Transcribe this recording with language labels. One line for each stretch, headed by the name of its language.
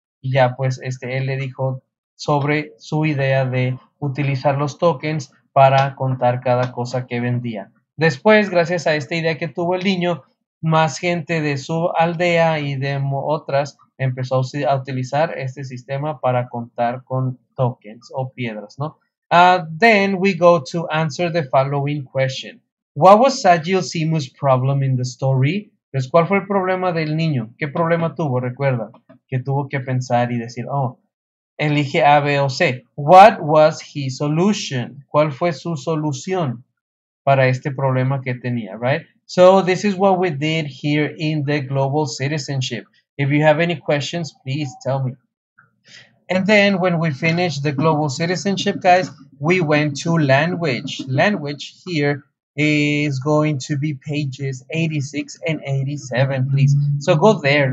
Spanish: Y ya pues él le dijo sobre su idea de utilizar los tokens para contar cada cosa que vendía. Después, gracias a esta idea que tuvo el niño, más gente de su aldea y de otras empezó a utilizar este sistema para contar con tokens o piedras, ¿no?
English: Then we go to answer the following question. What was Sadio Simu's problem in the story?
Spanish: Pues, ¿cuál fue el problema del niño? ¿Qué problema tuvo? Recuerda que tuvo que pensar y decir, oh, elige A, B o C.
English: What was his solution?
Spanish: ¿Cuál fue su solución para este problema que tenía,
English: right? So this is what we did here in the Global Citizenship. If you have any questions, please tell me. And then when we finished the Global Citizenship, guys, we went to language. Language here is going to be pages 86 and 87, please. So go there.